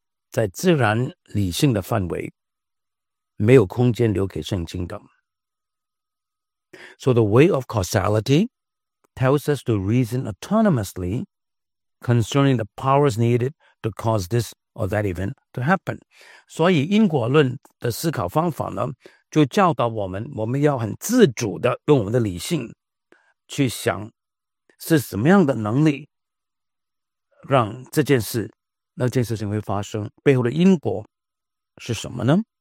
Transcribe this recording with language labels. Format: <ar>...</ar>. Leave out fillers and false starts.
<zh>在自然理性的范围没有空间留给圣经的</zh> <en>So the way of causality tells us to reason autonomouslyconcerning the powers needed to cause this or that event to happen.</en> <zh>所以因果论的思考方法呢，就教导我们，我们要很自主的用我们的理性去想，是什么样的能力让这件事、那件事情会发生，背后的因果是什么呢？</zh>